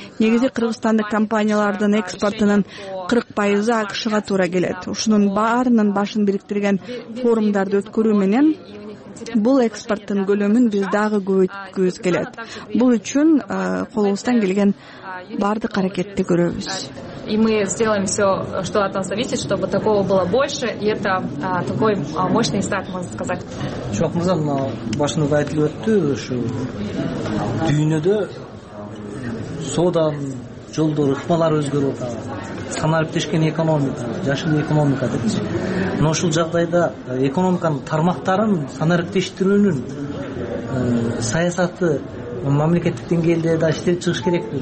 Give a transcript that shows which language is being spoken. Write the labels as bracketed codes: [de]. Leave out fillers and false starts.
[ky] Негизи кыргызстандык компаниялардын экспортунун 40% АКШ-га туура келет. Ушунун баарынын башын бириктирген форумдарды өткөрүү менен бул экспорттун көлөмүн биз дагы көбөйткүбүз келет. Бул үчүн колубуздан келген бардык аракетти көрөбүз. [ru] И мы сделаем все, что от нас зависит, чтобы такого было больше. И это такой мощный старт, можно сказать. Чувак, мы знаем, [ky] башну байтлы өттү, шу дүйнөдө соодан жолдор, ыкмалар өзгөрүп, санарыптешкен экономика, жашыл экономика депчи. Мына ушул жагдайда экономиканын тармактарын санарыптештирүүнүн саясаты мамлекеттик деңгээлде да иштелип чыгыш керекпи?